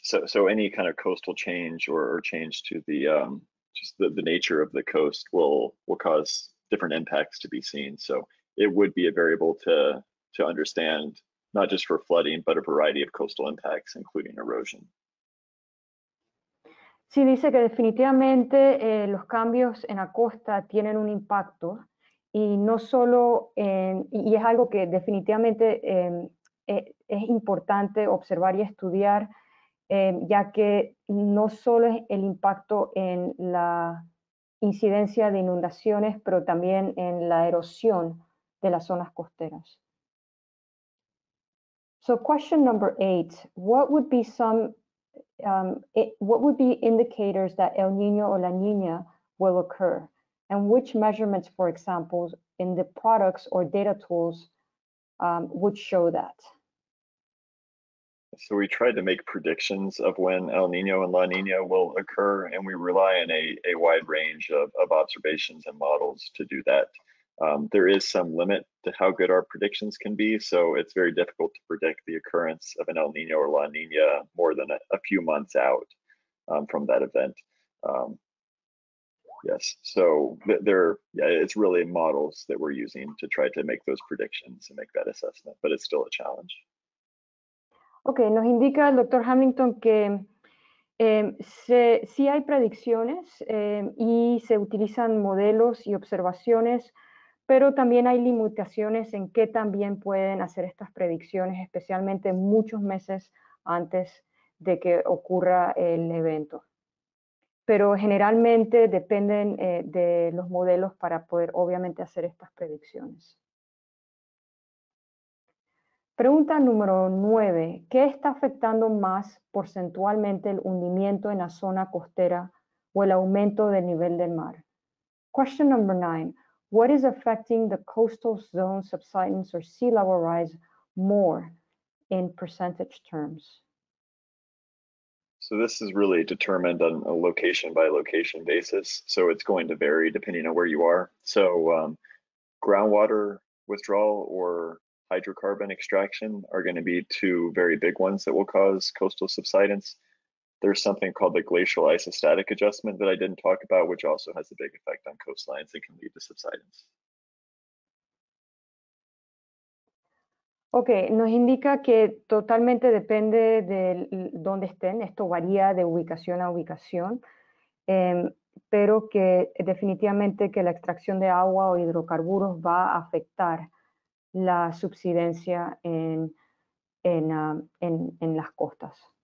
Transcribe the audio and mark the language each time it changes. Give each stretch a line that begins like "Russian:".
English: So any kind of coastal change or change to the just the nature of the coast will cause different impacts to be seen. So it would be a variable to understand, not just for flooding, but a variety of coastal impacts, including erosion.
Spanish: Sí, dice que definitivamente los cambios en la costa tienen un impacto y no solo y es algo que definitivamente es importante observar y estudiar, ya que no solo es el impacto en la incidencia de inundaciones, pero también en la erosión de las zonas costeras.
English: So, question number 8. What would be some what would be indicators that El Niño or La Niña will occur? And which measurements, for example, in the products or data tools would show that? So we tried to make predictions of when El Niño and La Niña will occur, and we rely on a wide range of observations and models to do that. There is some limit to how good our predictions can be, so it's very difficult to predict the occurrence of an El Niño or La Niña more than a few months out from that event. Yes, so it's really models that we're using to try to make those predictions and make that assessment, but it's still a challenge.
Spanish: Ok, nos indica el doctor Hamilton que sí hay predicciones y se utilizan modelos y observaciones, pero también hay limitaciones en qué también pueden hacer estas predicciones, especialmente muchos meses antes de que ocurra el evento. Pero generalmente dependen de los modelos para poder obviamente hacer estas predicciones. Pregunta número 9. ¿Qué está afectando más porcentualmente el hundimiento en la zona costera o el aumento del nivel del mar?
English: Question number 9. What is affecting the coastal zone subsidence or sea level rise more in percentage terms? So this is really determined on a location by location basis. So it's going to vary depending on where you are. So groundwater withdrawal or hydrocarbon extraction are going to be two very big ones that will cause coastal subsidence. There's something called the glacial isostatic adjustment that I didn't talk about, which also has a big effect on coastlines and can lead to subsidence.
Spanish: Ok, nos indica que totalmente depende de dónde estén, esto varía de ubicación a ubicación, pero que definitivamente que la extracción de agua o hidrocarburos va a afectar la subsidencia en las costas.